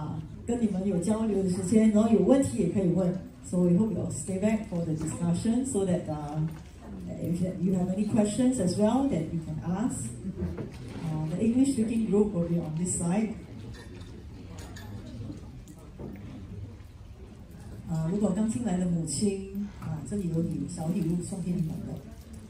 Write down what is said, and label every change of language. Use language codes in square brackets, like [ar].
[zh] 所以我们同样的分子小组，华文的就在右手边这里，我们讨论今天的这个话题。希望大家留下来，我们有机会能够跟你们有交流的时间，然后有问题也可以问。 [en] So we hope you'll stay back for the discussion so that if you have any questions as well that you can ask. The English speaking group will be on this side. [zh] 如果刚进来的母亲, 这里有小礼物送给你们的。